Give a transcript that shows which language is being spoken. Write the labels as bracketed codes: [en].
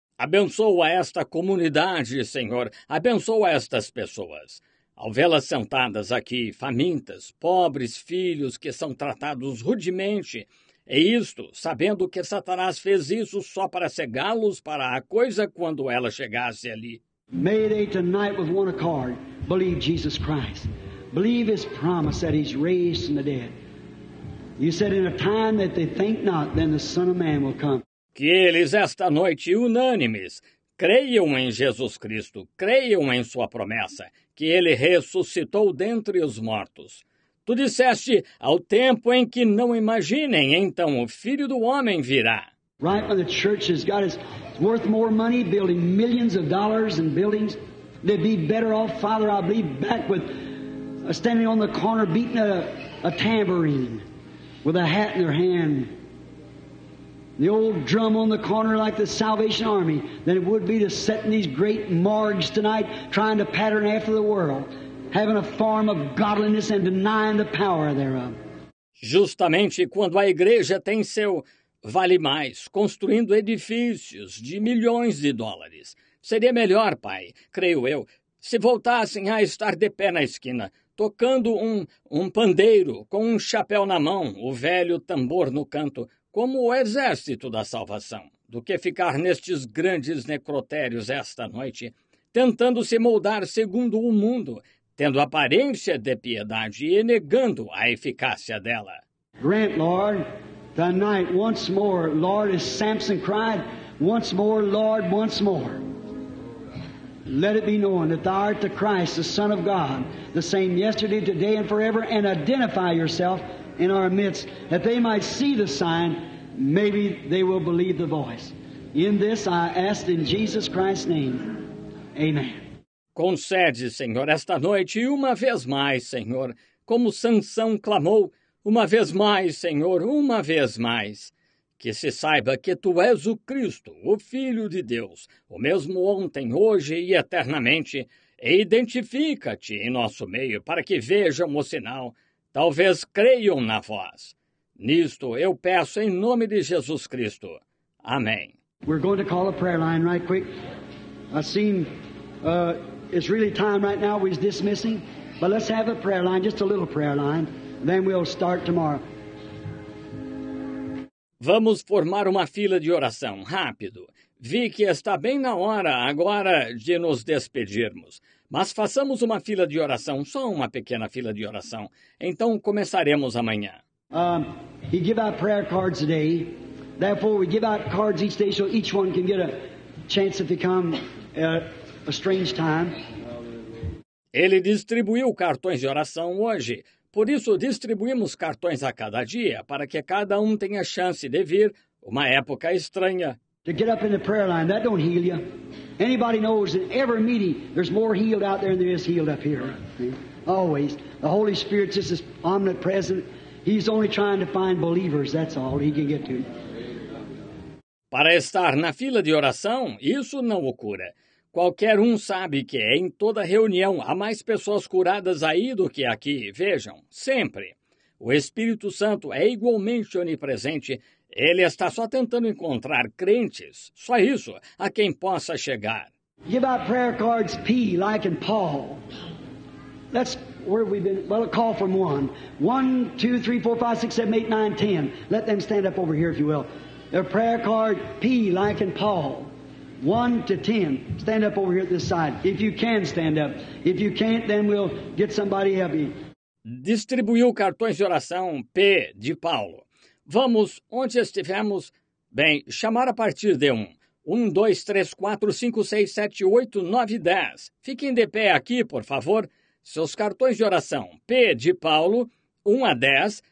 [pt] Abençoa esta comunidade, Senhor. Abençoa estas pessoas. Ao vê-las sentadas aqui, famintas, pobres filhos que são tratados rudemente, E isto, sabendo que Satanás fez isso só para cegá-los para a coisa quando ela chegasse ali. [en] Mayday tonight with one accord. Believe Jesus Christ. Believe His promise that He's raised from the dead. You said in a time that they think not, then the Son of Man will come. [pt] Que eles esta noite unânimes creiam em Jesus Cristo, creiam em sua promessa, que Ele ressuscitou dentre os mortos. Tu disseste, ao tempo em que não imaginem, então o Filho do Homem virá. [en] Right when the church has got its worth more money, building millions of dollars in buildings, they'd be better off, Father, I believe, back with standing on the corner beating a tambourine with a hat in their hand. The old drum on the corner like the Salvation Army, than it would be to set in these great morgues tonight trying to pattern after the world, having a form of godliness and denying the power thereof. [pt] Justamente quando a igreja tem seu vale mais, construindo edifícios de milhões de dólares. Seria melhor, Pai, creio eu, se voltassem a estar de pé na esquina, tocando um pandeiro com um chapéu na mão, o velho tambor no canto, como o exército da salvação, do que ficar nestes grandes necrotérios esta noite, tentando se moldar segundo o mundo, tendo aparência de piedade e negando a eficácia dela. [en] Grant, Lord, tonight, once more, Lord, as Samson cried, once more, Lord, once more. Let it be known that thou art the Christ, the Son of God, the same yesterday, today, and forever, and identify yourself in our midst, that they might see the sign, maybe they will believe the voice. In this I ask in Jesus Christ's name. Amen. [pt] Concede, Senhor, esta noite, e uma vez mais, Senhor, como Sansão clamou, uma vez mais, Senhor, uma vez mais, que se saiba que Tu és o Cristo, o Filho de Deus, o mesmo ontem, hoje e eternamente, e identifica-te em nosso meio para que vejam o sinal. Talvez creiam na voz. Nisto eu peço em nome de Jesus Cristo. Amém. [en] We're going to call a prayer line right quick. I seem it's really time right now we're dismissing, but let's have a prayer line, just a little prayer line, then we'll start tomorrow. [pt] Vamos formar uma fila de oração, rápido. Vi que está bem na hora agora de nos despedirmos. Mas façamos uma fila de oração, só uma pequena fila de oração. Então começaremos amanhã. [en] He give out prayer cards today. Therefore, we give out cards each day so each one can get a chance if they come at a strange time. [pt] Ele distribuiu cartões de oração hoje. Por isso, distribuímos cartões a cada dia, para que cada um tenha chance de vir uma época estranha. [en] To get up in the prayer line, that don't heal you. Anybody knows in every meeting, there's more healed out there than there is healed up here. Always. The Holy Spirit just is omnipresent. He's only trying to find believers, that's all he can get to. [pt] Para estar na fila de oração, isso não o cura. Qualquer um sabe que em toda reunião há mais pessoas curadas aí do que aqui, vejam, sempre. O Espírito Santo é igualmente onipresente. Ele está só tentando encontrar crentes, só isso, a quem possa chegar. [en] Give out prayer cards, P, like in Paul. That's where we've been. Well, a call from one. 1, 2, 3, 4, 5, 6, 7, 8, 9, 10. Let them stand up over here, if you will. Their prayer card, P, like in Paul. 1 to 10. Stand up over here at this side. If you can, stand up. If you can't, then we'll get somebody help you. [pt] Distribuiu cartões de oração, P, de Paulo. Vamos, onde estivemos? Bem, chamar a partir de 1. 1, 2, 3, 4, 5, 6, 7, 8, 9, 10. Fiquem de pé aqui, por favor. Seus cartões de oração, P de Paulo, 1 a 10.